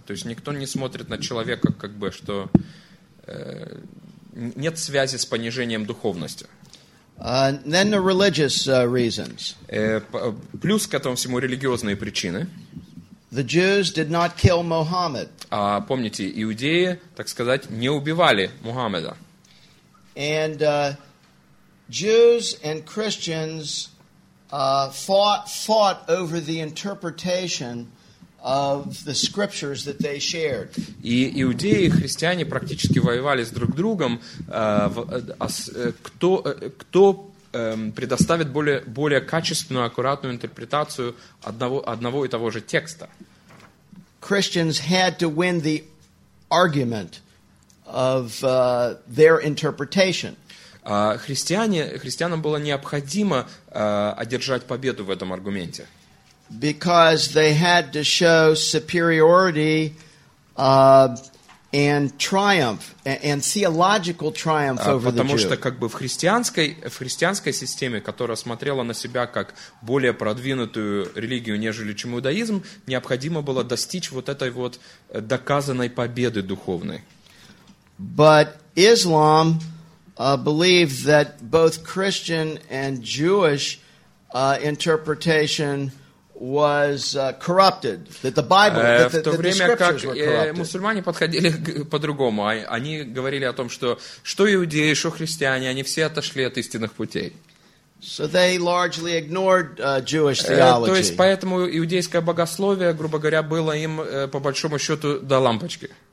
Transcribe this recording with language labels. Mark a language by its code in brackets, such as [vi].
[ru] То есть никто не смотрит на человека как бы, что нет связи с понижением духовности. [en] Then the religious reasons. [ru] Плюс к этому всему религиозные причины. [en] The Jews did not kill Muhammad. [ru] А помните, иудеи, так сказать, не убивали Мухаммеда. [en] And Jews and Christians fought over the interpretation of the scriptures that they shared. [ru] И иудеи и христиане практически воевали с друг другом, кто предоставит более качественную, аккуратную интерпретацию одного и того же текста. [en] Christians had to win the argument of their interpretation. [ru] Христианам было необходимо одержать победу в этом аргументе. [en] Because they had to show superiority and triumph and theological triumph over the Jew. [ru] Потому что как бы в христианской системе, которая смотрела на себя как более продвинутую религию, нежели чем иудаизм, необходимо было достичь вот этой вот доказанной победы духовной. [en] But Islam believed that both Christian and Jewish interpretation was corrupted, that the Bible, that the scriptures were corrupted. [ru] Мусульмане подходили по-другому. Они говорили о том, что иудеи, что христиане, они все отошли от истинных путей. [en] So they largely ignored Jewish theology. [ru] То есть поэтому иудейское богословие, грубо говоря, было им по большому счету до лампочки.